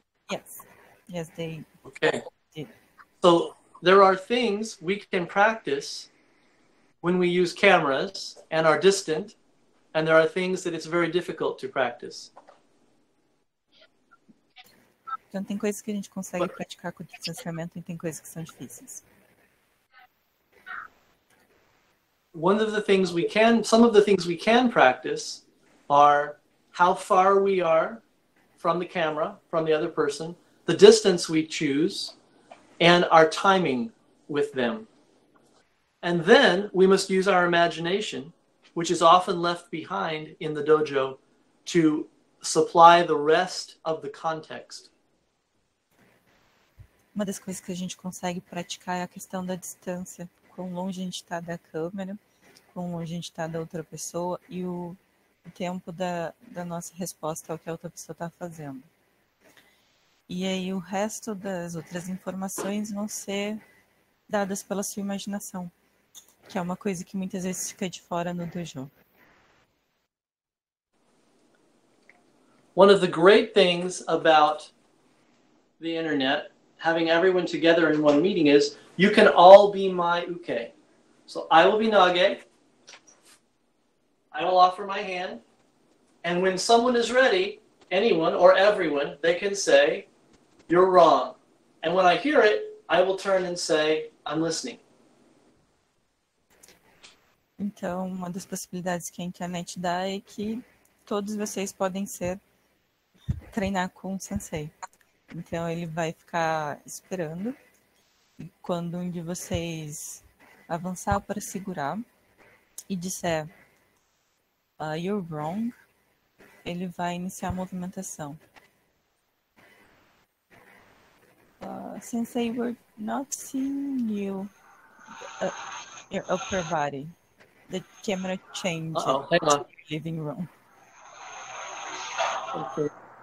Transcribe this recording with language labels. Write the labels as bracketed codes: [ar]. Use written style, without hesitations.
[en] Yes. Yes, they okay. So there are things we can practice when we use cameras and are distant, and there are things that it's very difficult to practice. [pt] Então, tem coisas que a gente consegue praticar com distanciamento e tem coisas que são difíceis. [en] One of the things we can, some of the things we can practice are how far we are from the camera, from the other person, the distance we choose, and our timing with them. And then we must use our imagination, which is often left behind in the dojo, to supply the rest of the context. [pt] Uma das coisas que a gente consegue praticar é a questão da distância, quão longe a gente está da câmera, quão longe a gente está da outra pessoa e o tempo da nossa resposta ao que a outra pessoa está fazendo. E aí o resto das outras informações vão ser dadas pela sua imaginação, que é uma coisa que muitas vezes fica de fora no dojo. [en] One of the great things about the internet, having everyone together in one meeting, is you can all be my uke. So I will be nage, I will offer my hand, and when someone is ready, anyone or everyone, they can say, you're wrong. And when I hear it, I will turn and say, I'm listening. [pt] Então, uma das possibilidades que a internet dá é que todos vocês podem ser treinar com o sensei. Então, ele vai ficar esperando. E quando um de vocês avançar para segurar e disser, [en] you're wrong, [pt] ele vai iniciar a movimentação. [en] Sensei, we're not seeing you, your upper body. The camera changed. Uh-oh, hang on. Living room. Okay.